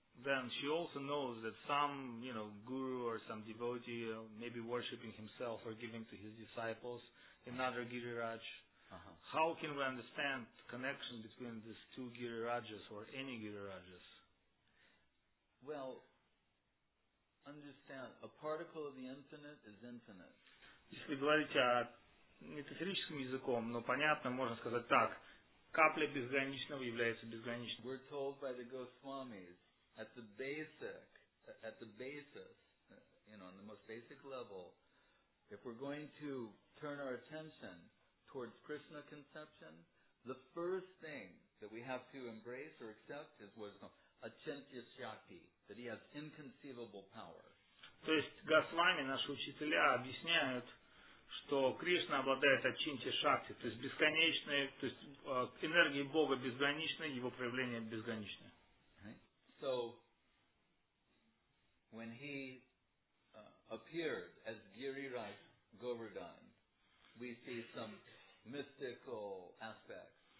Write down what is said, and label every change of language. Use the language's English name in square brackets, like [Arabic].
[English] Then she also knows that some, you know, guru or some devotee may be worshipping himself or giving to his disciples another Giriraj. Uh-huh. How can we understand the connection between these two Girirajas or any Girirajas? Well, understand, a particle of the infinite is infinite. [Russian] Если говорить о метафорическом языком, но понятно, можно сказать так, капля безграничного является безграничной. [English] We're told by the Goswamis, at the basis, you know, on the most basic level, if we're going to turn our attention towards Krishna conception, the first thing that we have to embrace or accept is what is called Achintya Shakti, that he has inconceivable power. [Russian] То есть Госвами, наши учителя, объясняют, что Кришна обладает Ачинтья Шакти, то есть бесконечной, то есть энергии Бога безграничны, его проявление безграничны. [English] Right. So, when he appeared as Giriraj Govardhan, we see some mystical aspects.